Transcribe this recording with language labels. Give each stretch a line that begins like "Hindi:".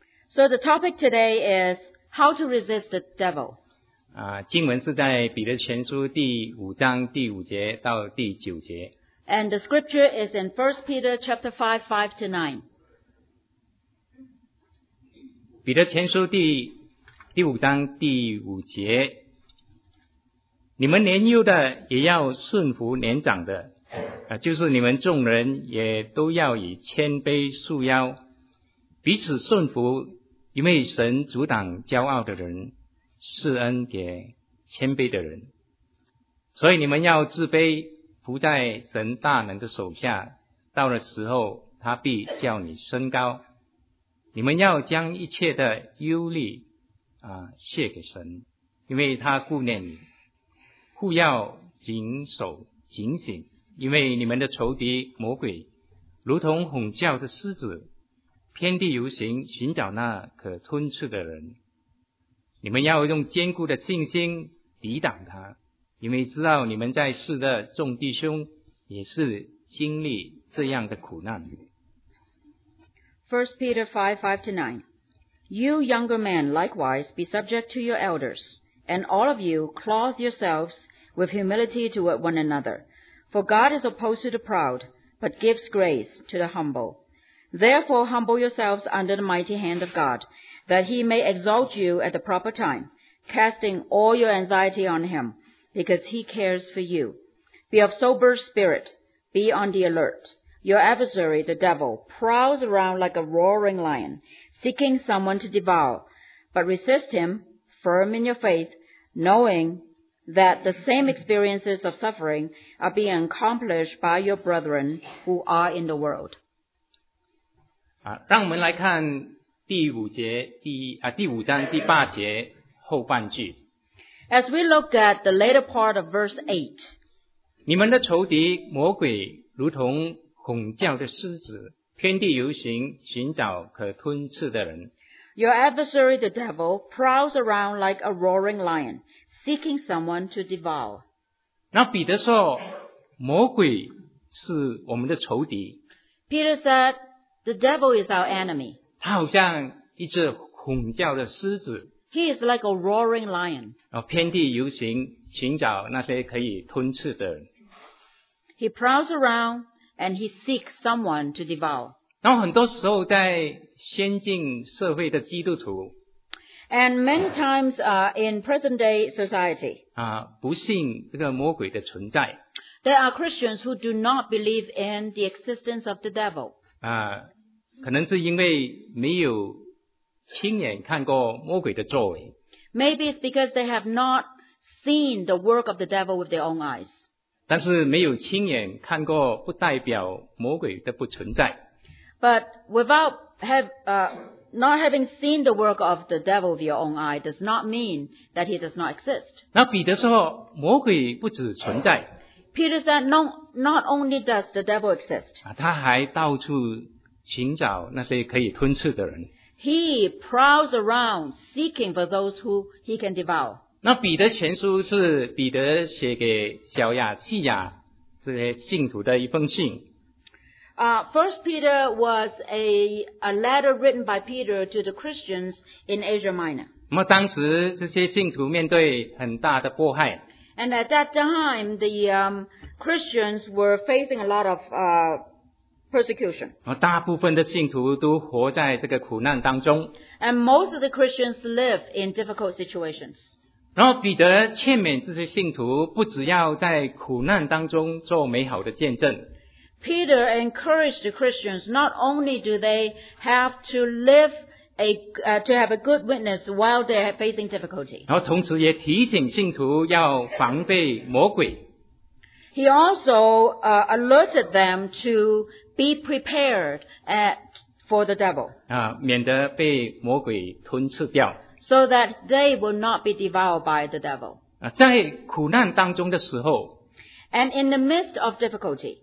English: So the topic today is how to resist the devil.
Chinese: 经文是在彼得前书第五章第五节到第九节。
English: And the scripture is in 1 Peter chapter 5, 5 to 9.
Chinese: 彼得前书 第五章第五节，你们年幼的也要顺服年长的，就是你们众人也都要以谦卑束腰，彼此顺服，因为神阻挡骄傲的人，赐恩给谦卑的人。所以你们要自卑，伏在神大能的手下，到了时候他必叫你升高。你们要将一切的忧虑卸给神，因为他顾念你。护要谨守警醒，因为你们的仇敌魔鬼如同吼叫的狮子，遍地游行，寻找那可吞吃的人。你们要用坚固的信心抵挡他，因为知道你们在世的众弟兄也是经历这样的苦难。
English: 1 Peter 5:5-9 You younger men likewise be subject to your elders, and all of you clothe yourselves with humility toward one another. For God is opposed to the proud, but gives grace to the humble. Therefore humble yourselves under the mighty hand of God, that he may exalt you at the proper time, casting all your anxiety on him. Because he cares for you. Be of sober spirit. Be on the alert. Your adversary, the devil, prowls around like a roaring lion, seeking someone to devour. But resist him, firm in your faith, knowing that the same experiences of suffering are being accomplished by your brethren who are in the world.
Chinese: 让我们来看第五章第八节后半句。
English: As we look at the later part of verse 8,
Chinese: 你们的仇敌魔鬼如同吼叫的狮子，遍地游行，寻找可吞吃的人。
English: Your adversary, the devil, prowls around like a roaring lion, seeking someone to devour.
Chinese: 那彼得说，魔鬼是我们的仇敌。
English: Peter said, the devil is our enemy.
Chinese: 他好像一只吼叫的狮子。
English: He is like a roaring lion.
Chinese: 遍地游行，寻找那些可以吞吃的人。
English: He prowls around and he seeks someone to devour.
Chinese: 那很多时候在先进社会的基督徒。
English: And many times in present day society.
Chinese: 不信这个魔鬼的存在。
English: There are Christians who do not believe in the existence of the devil.
Chinese: 可能是因为没有亲眼看过魔鬼的作为。
English: Maybe it's because they have not seen the work of the devil with their own eyes.
Chinese: 但是没有亲眼看过不代表魔鬼的不存在。
English: But without not having seen the work of the devil with your own eye does not mean that he does not exist.
Chinese: 那彼得说魔鬼不只存在。
English: Peter said not only does the devil exist.
Chinese: 他还到处寻找那些可以吞吃的人。
English: He prowls around seeking for those who he can devour.
Chinese: 那彼得前书是彼得写给小亚细亚这些信徒的一封信。
English: First Peter was a letter written by Peter to the Christians in Asia Minor.
Chinese: 那么当时这些信徒面对很大的迫害。
English: And at that time, the Christians were facing a lot of persecution.
Chinese: 大部分的信徒都活在这个苦难当中。
English: And most of the Christians live in difficult situations.
Chinese: 然后彼得劝勉这些信徒不只要在苦难当中做美好的见证。
English: Peter encouraged the Christians not only do they have to live to have a good witness while they are facing difficulty.
Chinese: 然后同时也提醒信徒要防备魔鬼。
English: He also alerted them to be prepared for the devil.
Chinese: 免得被魔鬼吞吃掉。
English: So that they will not be devoured by the devil.
Chinese: 在苦难当中的时候。
English: And in the midst of difficulty.